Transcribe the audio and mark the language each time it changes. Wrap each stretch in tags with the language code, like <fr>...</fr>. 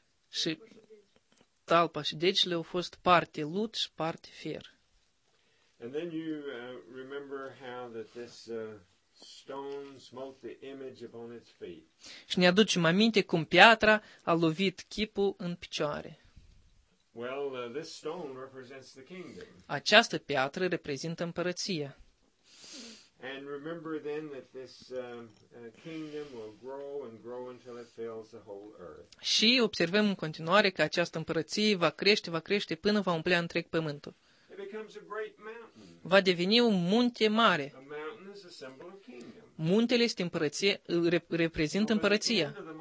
<ro>Și talpa și degetele au fost parte lut și parte fier.</ro> <en>And then you remember how that this stone smote the image upon its feet.</en> <ro>Și ne aducem aminte cum piatra a lovit chipul în picioare.</ro> <en>Well, this stone represents the kingdom.</en> <ro>Această piatră reprezintă împărăția.</ro> <en>And remember then that this kingdom will grow and grow until it fills the whole earth.</en> <ro>Și observăm în continuare că această împărăție va crește, va crește până va umple întreg pământul.</ro> <en>It becomes a great mountain.</en> <ro>Va deveni un munte mare.</ro> <en>A mountain is a symbol of kingdom.</en> <ro>Muntele este împărăție, reprezintă împărăția.</ro>